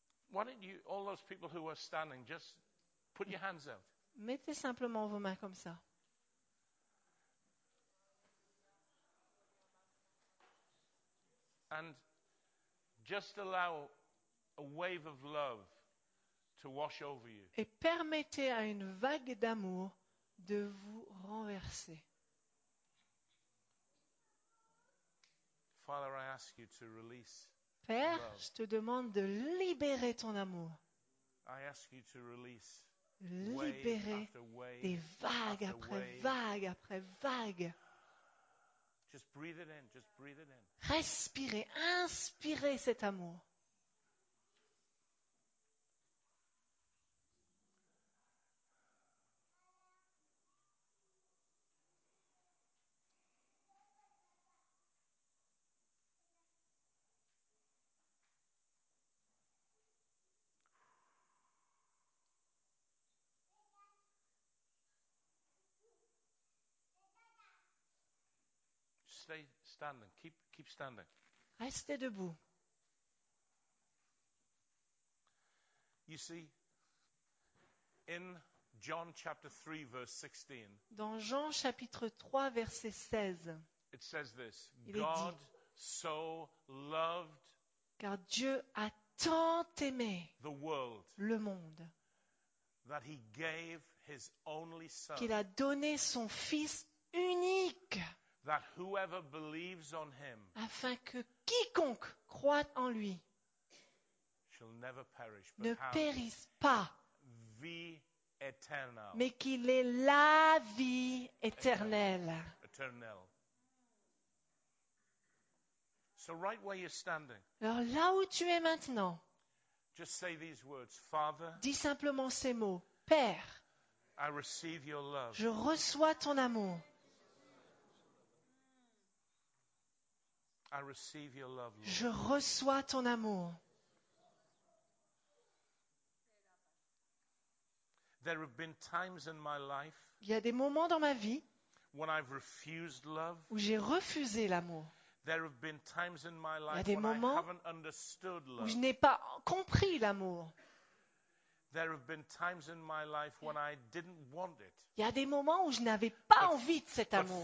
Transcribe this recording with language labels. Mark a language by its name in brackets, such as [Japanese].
[English] Why don't you, all those people who are standing, just put your hands out. [French] Mettez simplement vos mains comme ça. [English] And just allow a wave of love to wash over you. [French] Et permettez à une vague d'amour de vous renverser. [English] Father, I ask you to release. [French] Père, je te demande de libérer ton amour. [English] I ask you to release. [French] Libérer des vagues après vagues après vagues. [English] Just breathe it in, just breathe it in. [French] Respirez, inspirez cet amour. [English] Stay standing. Keep standing. [French] Restez debout. [English] You see, in John chapter 3, verse 16. [French] Dans Jean chapitre 3, verset 16. [English] It says this. God so loved. [French] Car Dieu a tant aimé. [English] The world. [French] Le monde. [English] That he gave his only son. [French] Qu'il a donné son fils unique. [English] That whoever believes on him, [French] afin que quiconque croit en lui [English] shall never perish, [French] ne périsse pas, vie éternelle, mais qu'il ait la vie éternelle. Éternelle. [English] So right where you're standing, [French] alors là où tu es maintenant, [English] just say these words, Father, [French] dis simplement ces mots, Père, [English] I receive your love. [French] Je reçois ton amour. [English] I receive your love, Lord. [French] Je reçois ton amour. [English] There have been times in my life, [French] il y a des moments dans ma vie, [English] when I've refused love, [French] où j'ai refusé l'amour. [English] There have been times in my life, [French] il y a des moments [English] when I haven't understood love, [French] où je n'ai pas compris l'amour. [English] There have been times in my life when I didn't want it. [French] Il y a des moments où je n'avais pas envie de cet amour.